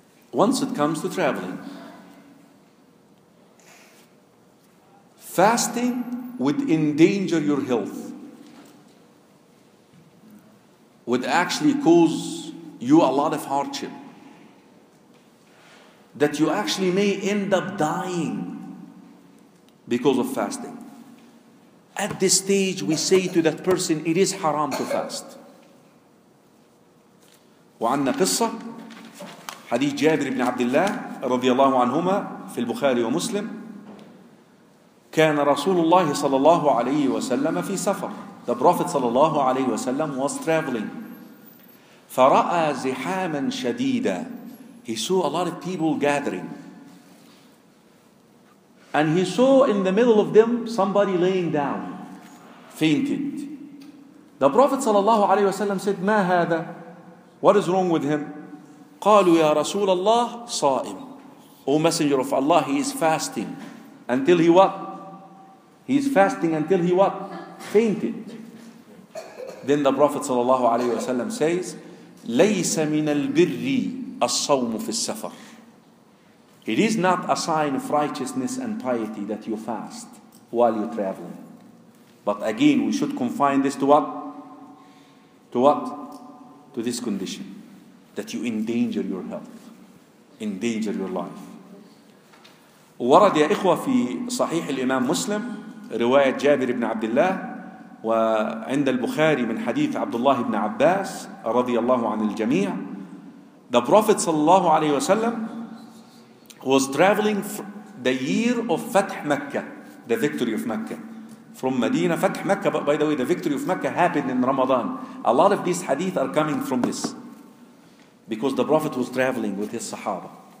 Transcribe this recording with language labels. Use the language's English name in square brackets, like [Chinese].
[English] Once it comes to traveling, fasting would endanger your health, would actually cause you a lot of hardship, that you actually may end up dying because of fasting. At this stage, we say to that person, it is haram to fast. [Arabic] وعنّا قصة حديث جابر بن عبد الله رضي الله عنهما في البخاري ومسلم. كان رسول الله صلى الله عليه وسلم في سفر. [English] The Prophet صلى الله عليه وسلم was traveling. [Arabic] فرأى زحاما شديدا. [English] He saw a lot of people gathering. And he saw in the middle of them somebody laying down, fainted. The Prophet صلى الله عليه وسلم said, [Arabic] ما هذا؟ [English] What is wrong with him? [Arabic] قالوا يا رسول الله صائم. [English] O Messenger of Allah, he is fasting. Until he what? He is fasting until he what? Fainted. Then the Prophet صلى الله عليه وسلم says, [Arabic] ليس من البر الصوم في السفر. [English] It is not a sign of righteousness and piety that you fast while you're traveling. But again, we should confine this to what? To what? To this condition, that you endanger your health, endanger your life. [Arabic] ورد يا إخوة في صحيح الإمام مسلم رواية جابر بن عبد الله وعند البخاري من حديث عبد الله بن عباس رضي الله عن الجميع. [English] The Prophet صلى الله عليه وسلم was traveling the year of فتح مكة, the victory of Mecca. From Medina, Fath Mecca, by the way, the victory of Mecca happened in Ramadan. A lot of these hadith are coming from this. Because the Prophet was traveling with his Sahaba.